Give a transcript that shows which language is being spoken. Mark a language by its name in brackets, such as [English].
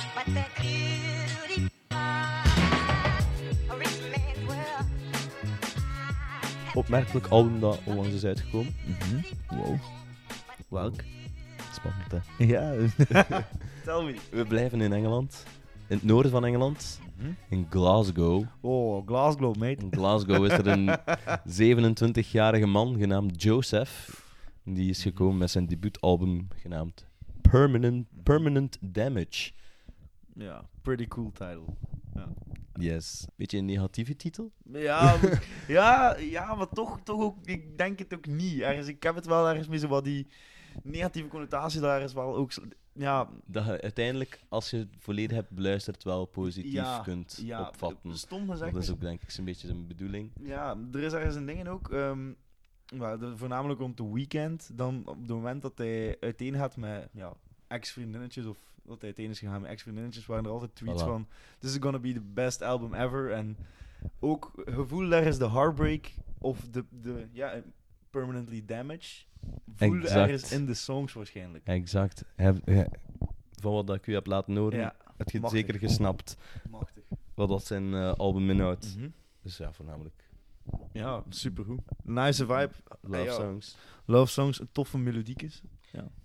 [English] But that beautiful. A rich man's world. [Dutch] Opmerkelijk album dat onlangs is uitgekomen. Mm-hmm. Wow. Welk? Spannend, hè? [English] Ja. Tell me. [Dutch] We blijven in Engeland. In het noorden van Engeland, in Glasgow. [English] Oh, Glasgow, mate. [Dutch] In Glasgow is er een 27-jarige man genaamd Joseph. Die is gekomen met zijn debuutalbum genaamd Permanent Damage. [English] Ja, yeah, pretty cool title. Yeah. Yes. [Dutch] Beetje een negatieve titel? Ja, maar toch ook, ik denk het ook niet. Ergens, ik heb het wel ergens mee, zo wat die negatieve connotatie daar is wel ook... Ja. Dat je uiteindelijk, als je het volledig hebt beluisterd, wel positief kunt opvatten. Stom gezegd. Dat is ook denk ik een beetje zijn bedoeling. Ja, er is ergens een ding in ook. Voornamelijk rond de Weeknd. Dan op het moment dat hij uiteen gaat met ex-vriendinnetjes. Of dat hij uiteen is gegaan met ex-vriendinnetjes. Waren er altijd tweets van, [English] this is gonna be the best album ever. [Dutch] En ook gevoel daar is de heartbreak. Of de permanently damaged. Voel ergens in de songs waarschijnlijk. Exact. Van wat ik u heb laten horen, heb je het zeker gesnapt. Machtig. Wat dat zijn album inhoudt. Mm-hmm. Dus voornamelijk. Ja, supergoed. [English] Nice vibe. Love songs. Love songs, [Dutch] toffe melodiekjes. Ja.